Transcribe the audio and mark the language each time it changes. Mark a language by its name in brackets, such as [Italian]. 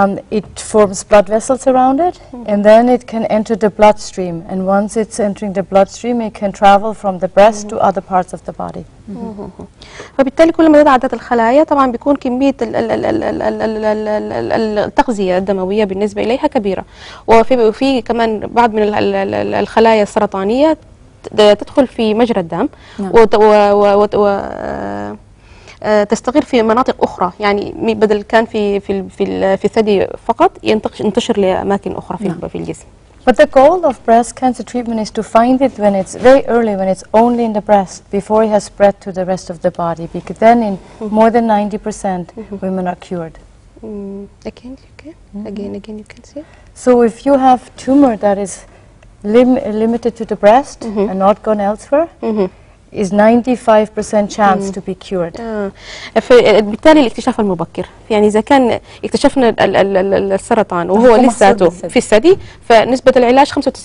[English] It forms blood vessels around it, and then it can enter the bloodstream. And once it's entering the bloodstream, it can travel from the breast to other parts of the body. [Arabic] فبالتالي كل ما زادت الخلايا طبعا بيكون كمية التغذية الدموية بالنسبة إليها كبيرة. وفي كمان بعض من الخلايا السرطانية تدخل في مجرى الدم تستغير في مناطق اخرى، يعني بدل كان في الثدي فقط ينتشر لاماكن اخرى في في الجسم. [English] But the goal of breast cancer treatment is to find it when it's very early, when it's only in the breast, before it has spread to the rest of the body, because then in more than 90% women are cured. Again, you can. Mm-hmm. Again, you can see. So if you have tumor that is limited to the breast, mm-hmm. and not gone elsewhere, mm-hmm. is 95% chance mm-hmm. to be cured. [Arabic] فبالتالي الاكتشاف المبكر. يعني إذا كان اكتشفنا السرطان وهو لساته في الثدي، فنسبة العلاج 95%.